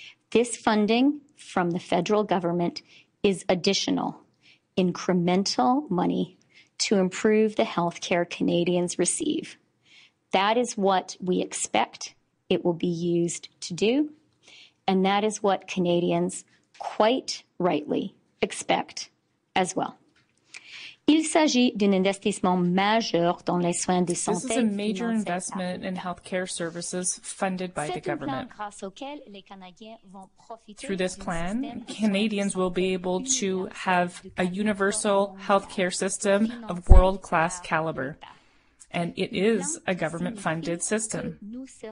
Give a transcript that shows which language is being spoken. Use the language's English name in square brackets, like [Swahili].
[English] This funding from the federal government is additional, incremental money to improve the health care Canadians receive. That is what we expect it will be used to do, and that is what Canadians quite rightly expect as well. [French] Il s'agit d'un investissement majeur dans les soins de santé. [English] This is a major investment in healthcare services funded by the government. Through this plan, Canadians will be able to have a universal healthcare system of world-class caliber. And it is a government-funded system.